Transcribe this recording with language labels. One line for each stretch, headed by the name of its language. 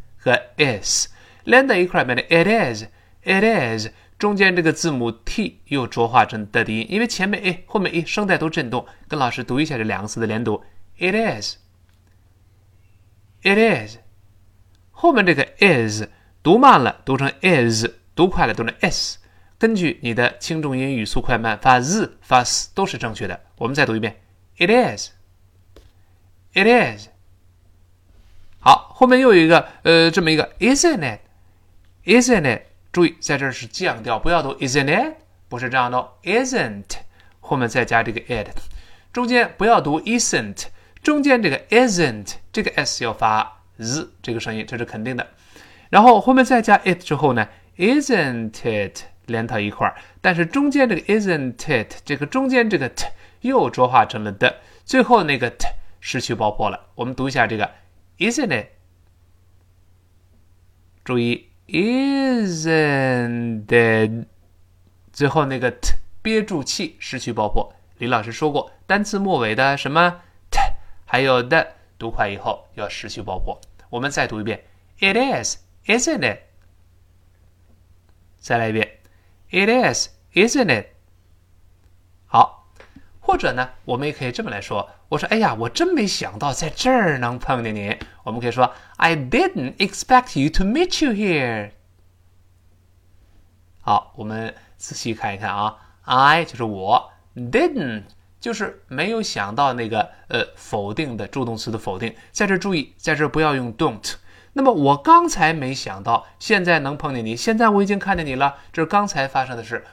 Chinese: 和 is 连在一块变成
English: it is it is，
Chinese: 中间这个字母 t 又浊化成的音，因为前面 a 后面 a 声带都震动。跟老师读一下这两个词的连读 ：
English: it is it is，
Chinese: 后面这个 is 读慢了读成 is， 读快了读成 s， 根据你的轻重音、语速快慢，发 z 发 s 都是正确的。我们再读一遍 ：
English: it is it is。
Chinese: 好，后面又有一个，这么一个
English: isn't it，isn't it？
Chinese: 注意，在这儿是降调，不要读 isn't it， 不是这样的 isn't， 后面再加这个 it， 中间不要读 isn't， 中间这个 isn't， 这个 s 要发 z 这个声音，这是肯定的。然后后面再加 it 之后呢 ，isn't it 连到一块儿，但是中间这个 isn't it 这个中间这个 t 又浊化成了的，最后那个 t 失去爆破了。我们读一下这个。
English: Isn't it？
Chinese: 注意
English: ，isn't it？
Chinese: 最后那个 t 憋住气，失去爆破。李老师说过，单词末尾的什么 t 还有的读快以后要失去爆破。我们再读一遍
English: ，It is， isn't it？
Chinese: 再来一遍
English: ，It is， isn't it？
Chinese: 好，或者呢，我们也可以这么来说。我说：“哎呀，我真没想到在这儿能碰见你。” 我们可以说
English: ：“I didn't expect you to meet you here。”
Chinese: 好，我们仔细看一看啊。 I 就是我 ，didn't 就是没有想到那个否定的助动词的否定。在这注意，在这不要用 don't。那么我刚才没想到，现在能碰见你，现在我已经看见你了，这是刚才发生的事。